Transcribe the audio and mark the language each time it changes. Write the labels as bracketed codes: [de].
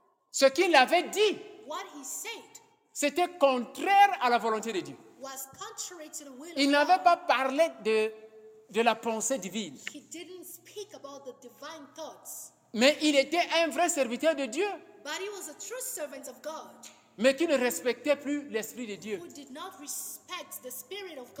[fr] Ce qu'il avait dit, [en] what he said, [fr] c'était contraire à la volonté de Dieu. [en] Was contrary to the will [fr] il [en] of [fr] n'avait [en] God. [fr] Pas parlé de la pensée divine. [en] He didn't speak about the divine thoughts. [fr] Mais il était un vrai serviteur de Dieu. [en] But he was a true servant of God. [fr] Mais qui ne respectait plus l'Esprit de Dieu. [en] Who did not respect the spirit of God.